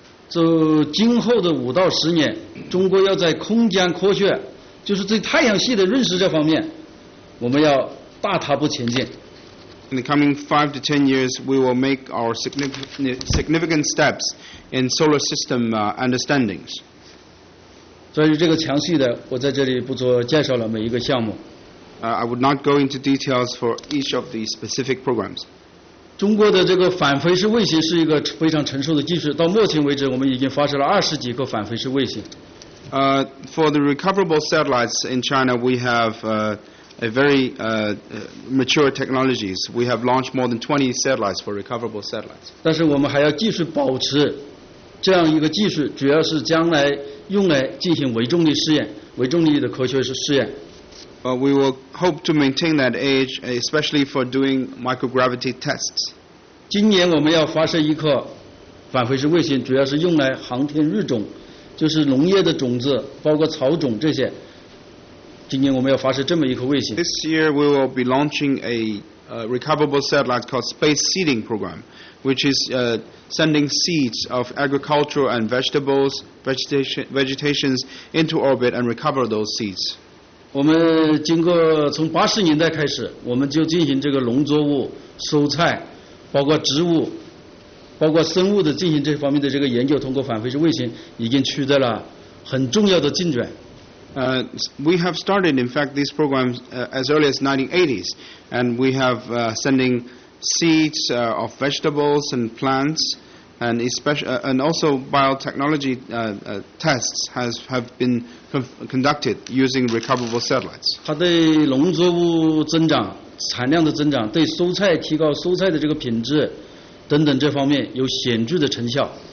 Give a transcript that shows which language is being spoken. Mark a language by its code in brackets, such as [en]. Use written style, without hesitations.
[en] So, [zh] 今后的5到10年，中国要在空间科学，就是对太阳系的认识这方面，我们要大踏步前进。 [en] In the coming 5 to 10 years, we will make our significant steps in solar system understandings. [zh] 所以这个详细的我在这里不做介绍了，每一个项目。 [en] I would not go into details for each of the specific programs. [zh] 中国的这个反飞式卫星是一个非常成熟的技术，到目前为止我们已经发射了20几个反飞式卫星。 [en] For the recoverable satellites in China, we have a very mature technologies. We have launched more than 20 satellites for recoverable satellites. [zh] 但是我们还要继续保持这样一个技术，主要是将来用来进行微重力试验、微重力的科学试验。 [en] But But we will hope to maintain that age, especially for doing microgravity tests. [zh] 今年我们要发射一颗返回式卫星，主要是用来航天日种，就是农业的种子，包括草种这些。今年我们要发射这么一颗卫星。 [en] This year we will be launching a recoverable satellite called Space Seeding Program, which is sending seeds of agricultural and vegetables, vegetations into orbit and recover those seeds. [zh] 我们经过从八十年代开始，我们就进行这个农作物、蔬菜，包括植物。包括生物的进行这方面的这个研究，通过返回式卫星已经取得了很重要的进展。 [en] We have started, in fact, these programs as early as 1980s, and we have sending seeds of vegetables and plants, and especially and also biotechnology tests have been conducted using recoverable satellites. [zh] 它对农作物增长、产量的增长，对蔬菜提高蔬菜的这个品质。等等这方面有显著的成效。